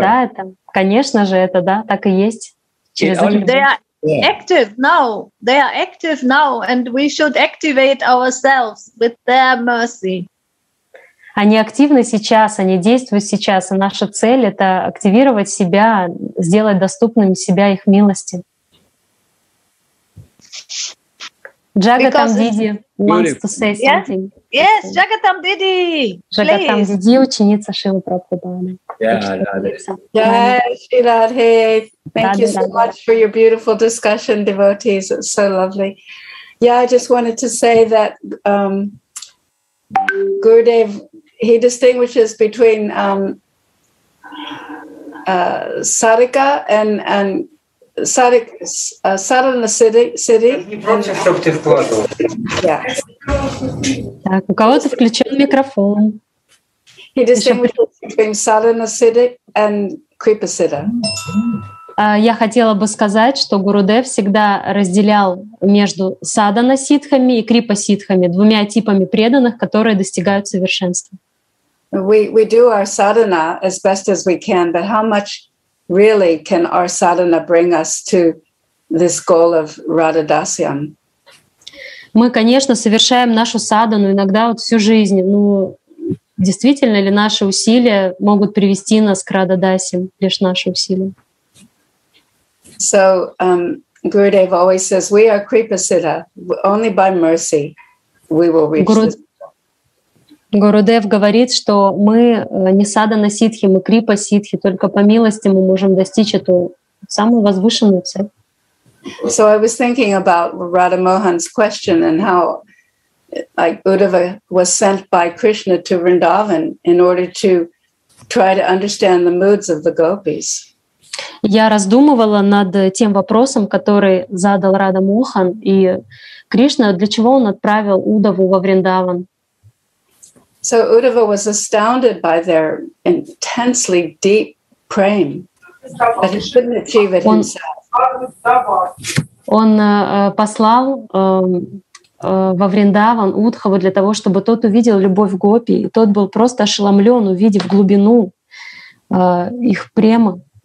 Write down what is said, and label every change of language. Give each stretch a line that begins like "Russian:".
Russian: Да, это, конечно же, это да, так и есть. Через
English: active now. They are active now, and we should activate ourselves with their mercy.
Russian: Они активны сейчас, они действуют сейчас, и наша цель — это активировать себя, сделать доступным себя их милости.
English: Джагатам Диди wants to say something. Yes, Джагатам Диди.
Russian: Джагатам Диди, ученица Шрилы Прабхупады.
English: Yeah, Shri Radhe. Thank you so much for your beautiful discussion, devotees. It's so lovely. Yeah, I just wanted to say that Gurudev, he distinguishes between Sarika and Sarana City.
Russian: Так, у кого-то включен микрофон.
English: He distinguishes between Sarana City and Kripa Siddha.
Russian: Я хотела бы сказать, что Гурудев всегда разделял между садана ситхами и крипа ситхами, двумя типами преданных, которые достигают совершенства.
English: We do our sadhana as best as we can, but how much really can our sadhana bring us to this goal of Radha Dasyam?
Russian: Мы, конечно, совершаем нашу садхану иногда вот всю жизнь, но действительно ли наши усилия могут привести нас к Радха Дасьям, лишь наши усилия?
English: So Gurudev always says, we are Kripa Siddha. Only by mercy we will reach this.
Russian: Гурудев говорит, что мы не садана ситхи, мы крипа ситхи, только по милости мы можем достичь эту самую возвышенную цель.
English: So I was thinking about Radha Mohan's question and how like Uddhava was sent by Krishna to Vrindavan in order to try to understand the moods of the gopis.
Russian: Я раздумывала над тем вопросом, который задал Радха Мохан, и Кришна, для чего он отправил Уддаву во Вриндаван.
English: So Uddhava was astounded by their intensely deep praying, but he couldn't achieve it himself.
Russian: Он послал во Вриндаван Уддхаву для того, чтобы тот увидел любовь гопи, и тот был просто ошеломлен, увидев глубину их премы.